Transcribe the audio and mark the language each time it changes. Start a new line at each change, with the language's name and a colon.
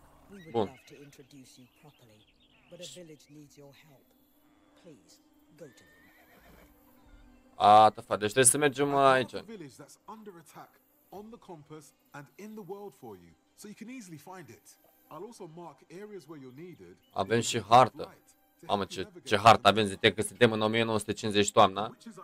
English: We would love to introduce you properly, but a village needs your help. Please go to them.
Romanian: A, tăfa, deci trebuie să mergem aici.
English: Village that's under attack on the compass and in the world for you, so you can easily find it. I'll also mark areas where you're needed.
Romanian: Avem și hartă. Mamă, ce hartă avem, zite că suntem în 1950 toamna.